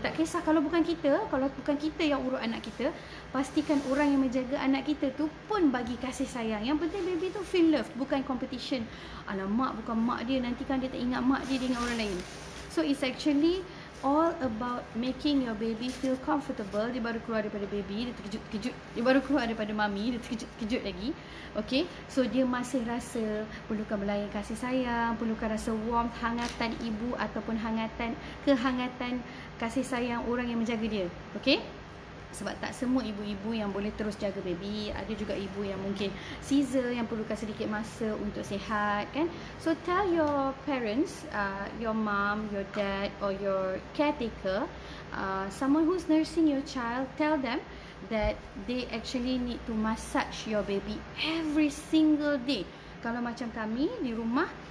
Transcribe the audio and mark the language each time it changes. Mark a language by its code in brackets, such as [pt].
[ms] Tak kisah kalau bukan kita, kalau bukan kita yang urut anak kita, pastikan orang yang menjaga anak kita tu pun bagi kasih sayang. Yang penting baby tu [en] feel loved, [ms] bukan competition. Alamak, bukan mak dia, nanti kan dia tak ingat mak dia, dia ingat orang lain. [en] So it's actually all about making your baby feel comfortable. [ms] Dia baru keluar daripada baby, dia terkejut-terkejut. Dia baru keluar daripada mami, dia terkejut-terkejut lagi. Okay, so dia masih rasa perlukan belayan kasih sayang, perlukan rasa warmth, hangatan ibu ataupun hangatan, kehangatan kasih sayang orang yang menjaga dia. Okay, sebab tak semua ibu-ibu yang boleh terus jaga baby. Ada juga ibu yang mungkin caesar, yang perlukan sedikit masa untuk sihat kan. [en] So tell your parents, your mom, your dad or your caretaker, someone who's nursing your child, tell them that they actually need to massage your baby every single day. [ms] Kalau macam kami di rumah,